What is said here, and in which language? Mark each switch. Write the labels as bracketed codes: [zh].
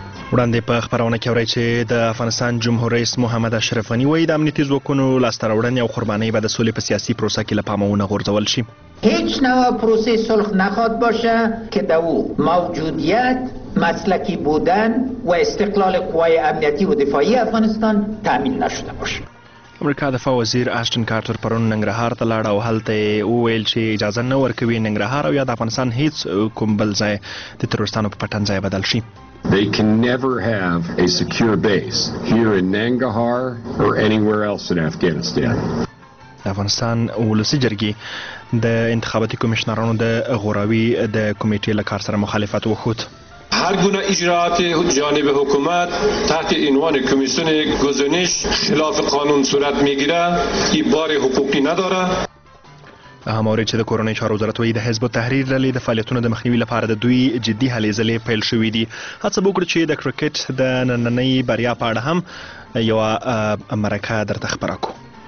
[ps] وړاندې په خبرونه کې اورئ چې د افغانستان جمهور رئیس محمد اشرف غنی وایي د امنیتي ځواکونو لاسته راوړنې او قربانۍ به د سولې په سیاسي پروسه کې له پامه ونه غورځول شي. [fa] هیچ نوع پروسه صلح نخواهد باشه که در او موجودیت، مسلکی بودن و استقلال قوای امنیتی و دفاعی افغانستان تأمین نشده باشه. [ps] امریکا دفاع وزیر اشتن کارتر پرون ننګرهار ته لاړه او هلته یې وویل چې اجازه نه ورکوي ننګرهار او یا د افغانستان هیڅ کوم بل ځای د تروریستانو په پټن ځای بدل شي. [en] They can never have a secure base here in Nangarhar or anywhere else in Afghanistan. [ps] افغانستان ولسی جرګي د انتخاباتي کمشنرانو د غوراوي د کمیټې له کار سره مخالفت وکړ. [fa] هر گونه اجراءات جانب حکومت تحت عنوان کمیسیون گزینش خلاف قانون صورت میگیره که بار حقوقی نداره. [ps] هماره چې د کورونې چارو وزارت وایي د حزب تحریر لې د فعالیتونو د مخنیوي لپاره د دوی جدي هلې ځلې پیل شوې دي. هڅه وکړه چې د کرکټ د نننۍ بریا په اړه هم یو مرکه درته خبره کړو.